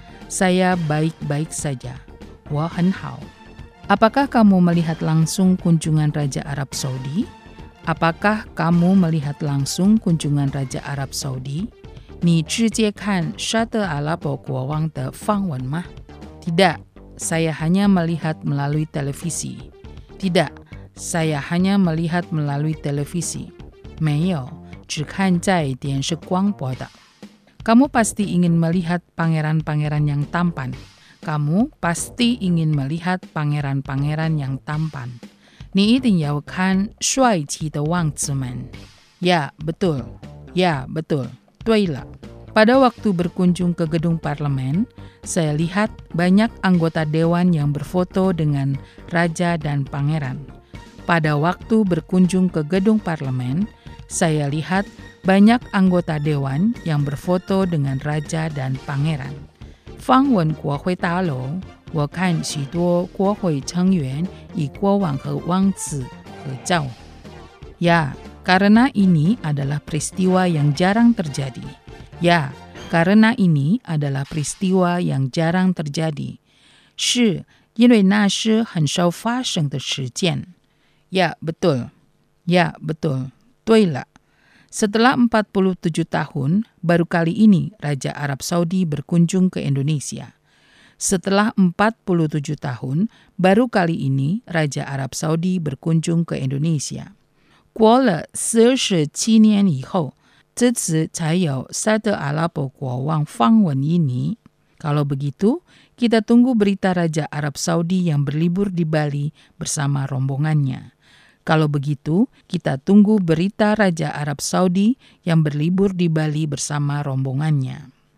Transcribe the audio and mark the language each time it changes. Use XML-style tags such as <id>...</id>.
<id>Saya baik-baik saja，</id> <zh>我很好。</zh> <id>Apakah kamu melihat langsung kunjungan Raja Arab Saudi？ Apakah kamu melihat langsung kunjungan Raja Arab Saudi？</id> <zh>你直接看沙特阿拉伯国王的访问吗？</zh> <id>Tidak， saya hanya melihat melalui televisi。 Tidak， saya hanya melihat melalui televisi。</id> <zh>没有，只看在电视广播的。</zh> <id>Kamu pasti ingin melihat pangeran-pangeran yang tampan. Kamu pasti ingin melihat pangeran-pangeran yang tampan.</id> <zh>你一定要看帅气的王子们。</zh> <id>Ya, betul. Ya, betul.</id> <zh>对了。</zh> <id>Pada waktu berkunjung ke gedung parlemen, saya lihat banyak anggota dewan yang berfoto dengan raja dan pangeran. Pada waktu berkunjung ke gedung parlemen, saya lihat banyak anggota dewan yang berfoto dengan raja dan pangeran.</id> <zh>Fang wen guo hui ta lou， 我看许多国会成员以国王和王子合照。</zh> <id>Ya， karena ini adalah peristiwa yang jarang terjadi. Ya， karena ini adalah peristiwa yang jarang terjadi.</id> <zh>是因为那是很少发生的事件。</zh> <id>Ya， betul. Ya， betul.</id> <zh>对了。</zh> <id>Setelah 47 tahun, baru kali ini Raja Arab Saudi berkunjung ke Indonesia. Setelah 47 tahun, baru kali ini Raja Arab Saudi berkunjung ke Indonesia.</id> <zh>过了47年以后, 这次才有沙特阿拉伯国王访问印尼。</zh> <id>Kalau begitu, kita tunggu berita Raja Arab Saudi yang berlibur di Bali bersama rombongannya. Kalau begitu, kita tunggu berita Raja Arab Saudi yang berlibur di Bali bersama rombongannya.</id>